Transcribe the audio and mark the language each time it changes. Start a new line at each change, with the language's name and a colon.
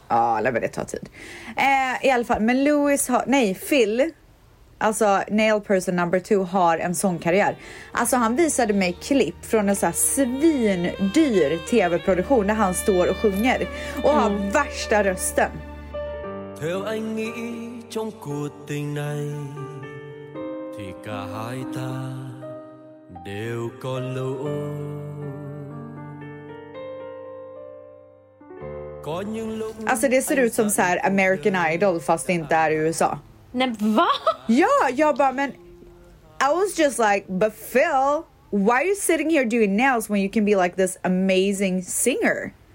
Swedish: Ja, låt mig det ta tid. I alla fall, men Louis har, nej, Phil. Alltså,
English: nail person number 2
Swedish: har en sån karriär. Alltså, han visade mig klipp från en så här svindyr tv-produktion där han står och sjunger. Och har värsta rösten.
Vietnamese: Theo anh nghĩ trong cuộc tình này thì cả hai ta đều có lỗi. Có những lúc.
Swedish: Alltså, det ser ut som så här American Idol fast det inte är i USA. Nej, va? Ja, jag bara, men
English: I was just like, but Phil, why are you sitting here doing nails when you can be like this amazing singer?